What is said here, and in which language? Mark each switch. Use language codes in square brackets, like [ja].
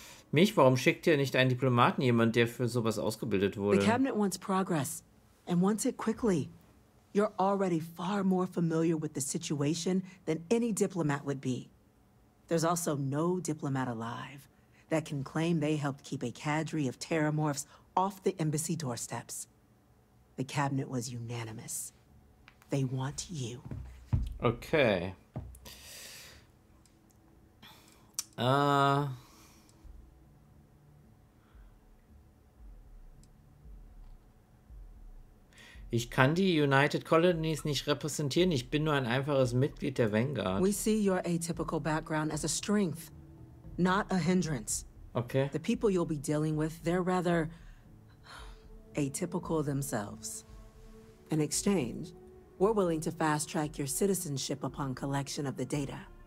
[de] Mich, warum schickt ihr nicht einen Diplomaten, jemand, der für sowas ausgebildet wurde? [en] The cabinet wants progress. And wants it quickly. You're already far more familiar with the situation than any diplomat would be. There's also no diplomat alive that can claim they helped keep a cadre of Terramorphs off the embassy doorsteps. The cabinet was unanimous. They want you. Okay. [de] Ich kann die United Colonies nicht repräsentieren. Ich bin nur ein einfaches Mitglied der Vanguard. [en] We see your atypical background as a strength, not a hindrance. Okay. The people you'll be dealing with, they're rather atypical themselves. In exchange, we're willing to fast-track your citizenship upon collection of the data.